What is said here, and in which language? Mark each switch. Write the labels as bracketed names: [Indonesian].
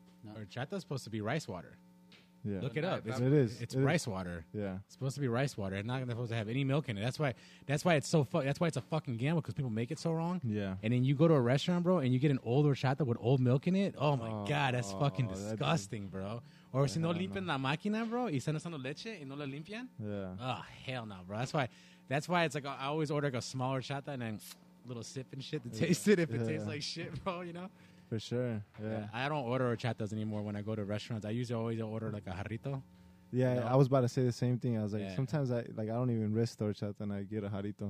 [English] No. Horchata's supposed to be rice water. Yeah, look it up. It's rice water. Yeah, it's supposed to be rice water. It's not supposed to have any milk in it. That's why it's a fucking gamble because people make it so wrong. Yeah, and then you go to a restaurant, bro, and you get an old horchata with old milk in it. Oh my god, that's fucking disgusting, bro. Or yeah, [Spanish] si no limpian la máquina, bro, y están usando leche y no la limpian. [English] Yeah. Oh, hell no, bro. That's why it's like I always order like a smaller horchata and then a little sip and shit to taste it if it tastes like shit, bro, you know? For sure. Yeah. I don't order horchatas anymore when I go to restaurants. I usually always order like a jarrito. Yeah, you know? I was about to say the same thing. I was like, sometimes I don't even risk the horchata and I get a jarrito.